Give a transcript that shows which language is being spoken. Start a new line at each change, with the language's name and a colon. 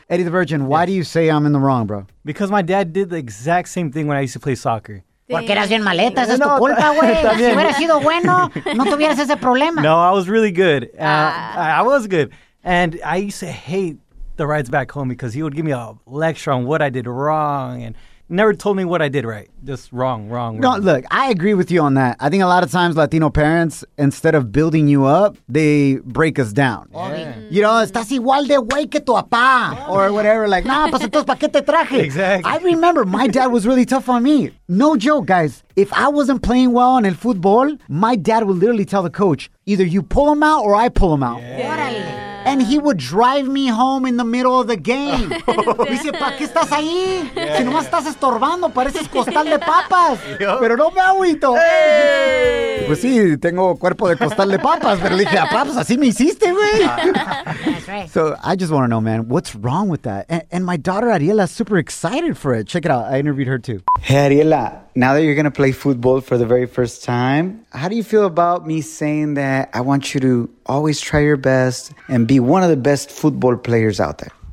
English: Eddie the Virgin, why do you say I'm in the wrong, bro? Because my dad did the exact same thing when I used to play soccer.
Spanish: Porque eras bien maleta, esa es tu culpa, güey. Si hubiera sido bueno, no tuvieras ese problema.
English: No, I was really good. I was good. And I used to hate the rides back home because he would give me a lecture on what I did wrong and never told me what I did right. Just wrong. No, look, I agree with you on that. I think a lot of times Latino parents, instead of building you up, they break us down. Yeah. You know,
Spanish: estás igual de güey que tu papá.
English: Or whatever, like, nah,
Spanish: pues entonces, ¿para qué te traje?
English: Exactly. I remember my dad was really tough on me. No joke, guys. If I wasn't playing well on el fútbol, my dad would literally tell the coach, either you pull him out or I pull him out. Yeah. And he would drive me home in the middle of the game.
Spanish: Me dice, ¿pa' qué estás ahí? Yeah, si nomás estás estorbando, pareces costal de papas. Yep. Pero no me agüito.
English: Hey.
Spanish: Pues sí, tengo cuerpo de costal de papas. Pero le dije, papas, así me hiciste, güey.
English: That's right. So I just want to know, man, what's wrong with that? And my daughter, Ariela, is super excited for it. Check it out. I interviewed her, too. Hey, Ariela, now that you're going to play football for the very first time, how do you feel about me saying that I want you to always try your best and be one of the best football players out there?